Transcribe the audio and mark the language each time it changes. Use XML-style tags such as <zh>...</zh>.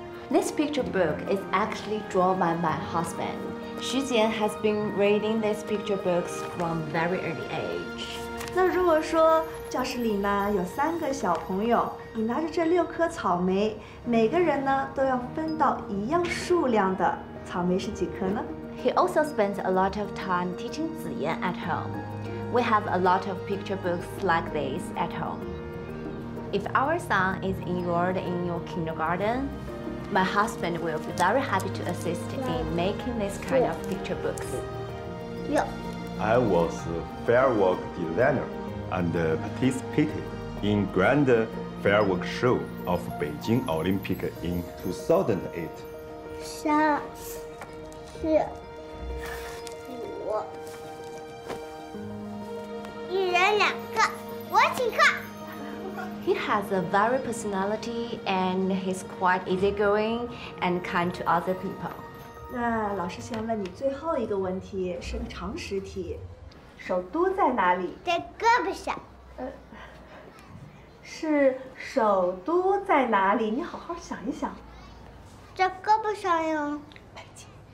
<en>This picture book is actually drawn by my husband. 徐子言 has been reading these picture books from very early age.</en> <zh>那如果说教室里呢有三个小朋友，你拿着这六颗草莓，每个人呢都要分到一样数量的草莓是几颗呢？</zh> <en>He also spends a lot of time teaching Ziyan at home. We have a lot of picture books like this at home. If our son is enrolled in your kindergarten, my husband will be very happy to assist in making this kind of picture books. Yeah. I was a firework designer and participated in grand firework show of Beijing Olympic in 2008.</en> <zh>三、四、五，一人两个，我请客。</zh> <en>He has a very personality and he's quite easygoing and kind to other people.</en> <zh>那老师想问你最后一个问题，是个常识题，首都在哪里？在胳膊上。是首都在哪里？你好好想一想。在胳膊上呀。北京。</zh>